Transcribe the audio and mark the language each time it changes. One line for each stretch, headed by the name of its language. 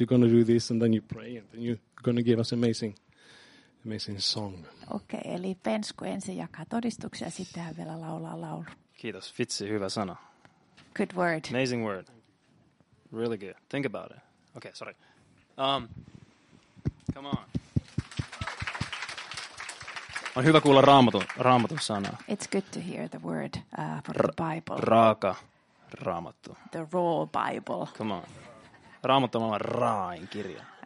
English: You're going to do this, and then you pray, and then you're going to give us amazing song.
Finnish: Okay, eli Bensku ensin jakaa todistuksia ja sitten hän vielä laulaa laulu. Kiitos. Fitsi, hyvä sana.
English: Good word. Amazing word. Really good. Think about it. Okay, sorry. Come on.
Finnish: On hyvä kuulla raamatun sanaa.
English: It's good to hear the word from the Bible.
Finnish: Raaka raamattu.
English: The raw Bible. Come on.
Finnish: Raamattu on maailman raain kirja.